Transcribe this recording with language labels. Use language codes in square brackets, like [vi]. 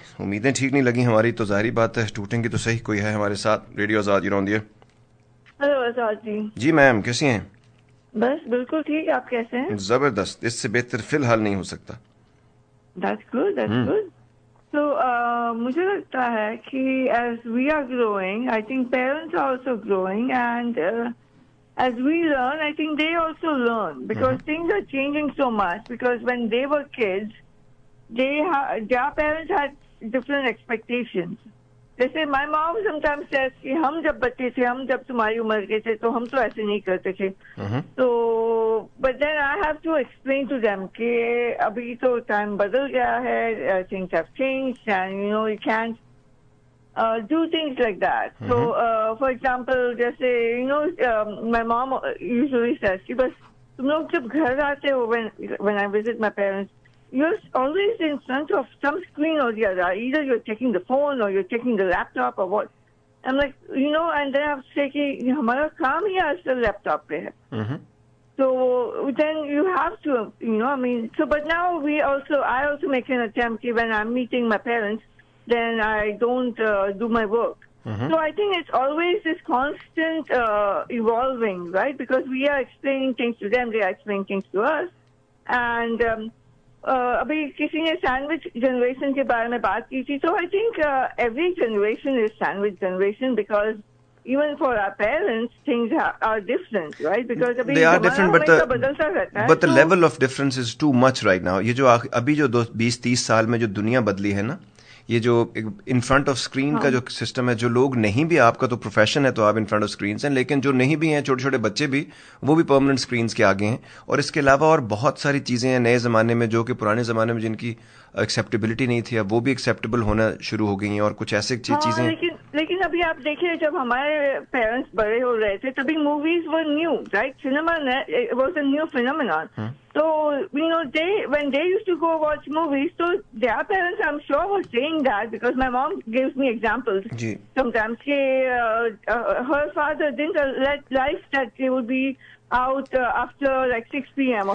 [ur] امیدیں ٹھیک نہیں لگیں ہماری تو ظاہری بات ہے، ٹوٹیں گی تو صحیح. کوئی ہے ہمارے ساتھ ریڈیو آزاد؟ ہیلو آزاد جی. جی میم کیسی ہیں؟ بس بالکل ٹھیک. آپ کیسے ہیں؟ زبردست، اس سے بہتر فی الحال نہیں ہو سکتا. [en] That's good, that's good. So, [ur] مجھے لگتا ہے کہ [en] as we are growing, I think parents are also growing and as we learn, I think they also learn because things are changing so much because when they were kids, their parents had different expectations. [ur] جیسے [en] my mom sometimes says [ur] کہ ہم جب بچے تھے، ہم جب تمہاری عمر کے تھے تو ہم تو ایسے نہیں کرتے تھے. [en] تو but then I have to explain to them [ur] کہ ابھی تو ٹائم بدل گیا ہے، [en] Things have changed and you know you can't do things like that. So for example جیسے you know my mom usually says [ur] کہ بس تم لوگ جب گھر آتے ہو [en] When I visit my parents you're always in front of some screen or the other. Either you're checking the phone or you're checking the laptop or what. I'm like, you know, and then I was thinking, [ur] ہمارا کام ہی آج کل لیپ top پہ ہے. [en] So then you have to, you know, I mean, so but now we also, I also make an attempt when I'm meeting my parents, then I don't do my work. So I think it's always this constant evolving, right? Because we are explaining things to them, they are explaining things to us. And [ur] ابھی کسی نے sandwich generation کے بارے میں بات کی تھی، تو [en] I think every generation is sandwich generation because even for our parents things are different, right? Because ابھی they are different but [ur] بدلتا رہتا ہے، [en] But the level of difference is too much right now. [ur] یہ جو ابھی جو 20-30 سال میں جو دنیا بدلی ہے نا، یہ جو [en] in front of screen [ur] کا جو سسٹم ہے، جو لوگ نہیں بھی، آپ کا تو پروفیشن ہے تو آپ [en] in front of screens [ur] ہیں، لیکن جو نہیں بھی ہیں، چھوٹے چھوٹے بچے بھی، وہ بھی پرماننٹ اسکرینس کے آگے ہیں. اور اس کے علاوہ اور بہت ساری چیزیں ہیں نئے زمانے میں جو کہ پرانے زمانے میں جن کی ایکسیپٹیبلٹی نہیں تھی، اب وہ بھی ایکسیپٹیبل ہونا شروع ہو گئی ہیں. اور کچھ ایسے چیزیں لیکن ابھی آپ دیکھیں، جب ہمارے پیرنٹس بڑے ہو رہے تھے تبھی [en] Movies were new, right? Cinema was a new phenomenon. So, you know, when they used to go watch movies, so their parents, I'm sure, were saying that because my mom gives me examples sometimes. Her father didn't let life that they would be out after like 6 p.m.